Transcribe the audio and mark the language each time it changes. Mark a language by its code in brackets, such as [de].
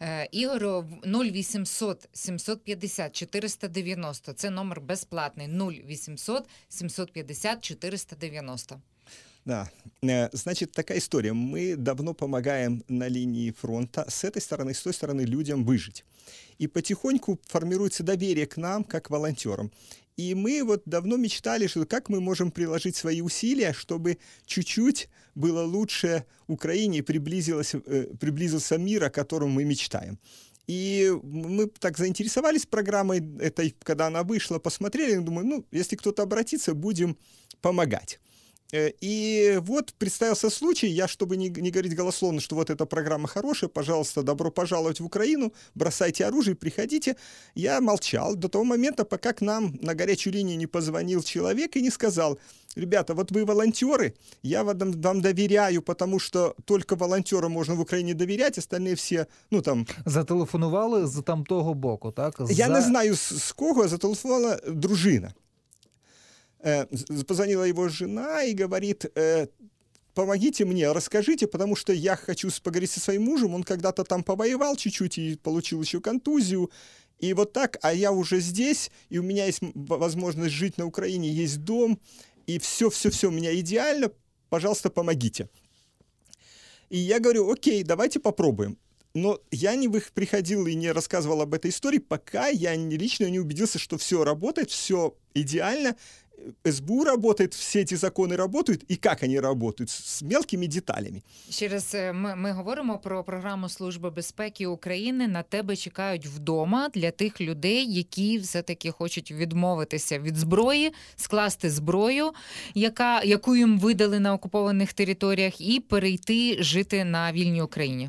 [uk] Ігорю, 0800 750 490. Це номер безплатний. 0800 750 490. Да. Значить, така історія. Ми давно допомагаємо на лінії фронту з цієї сторони, з тієї сторони людям вижити. І потихоньку формується довір'я к нам, як волонтерам. [ru] И мы вот давно мечтали, что как мы можем приложить свои усилия, чтобы чуть-чуть было лучше Украине и приблизился мир, о котором мы мечтаем. И мы так заинтересовались программой этой, когда она вышла, посмотрели, думаю, ну, если кто-то обратится, будем помогать. И вот представился случай, я, чтобы не говорить голословно, что вот эта программа хорошая, пожалуйста, добро пожаловать в Украину, бросайте оружие, приходите. Я молчал до того момента, пока к нам на горячую линию не позвонил человек и не сказал: ребята, вот вы волонтеры, я вам доверяю, потому что только волонтерам можно в Украине доверять, остальные все, ну там... [uk] Зателефонували з там того боку, так? [ru] Я не знаю, с кого, [uk] зателефонувала дружина. [ru] Позвонила его жена и говорит: помогите мне, расскажите, потому что я хочу поговорить со своим мужем, он когда-то там повоевал чуть-чуть и получил еще контузию, и вот так, а я уже здесь, и у меня есть возможность жить на Украине, есть дом, и все-все-все у меня идеально, пожалуйста, помогите. И я говорю: окей, давайте попробуем. Но я не приходил и не рассказывал об этой истории, пока я лично не убедился, что все работает, все идеально, СБУ работает, все эти законы работают, и как они работают, с мелкими деталями. Еще раз, мы говорим про программу Службы безопасности Украины «На тебе чекают вдома» для тех людей, [uk] які все-таки хочуть відмовитися від зброї, скласти зброю, яку їм видали на окупованих територіях, і перейти жити на вільній Україні.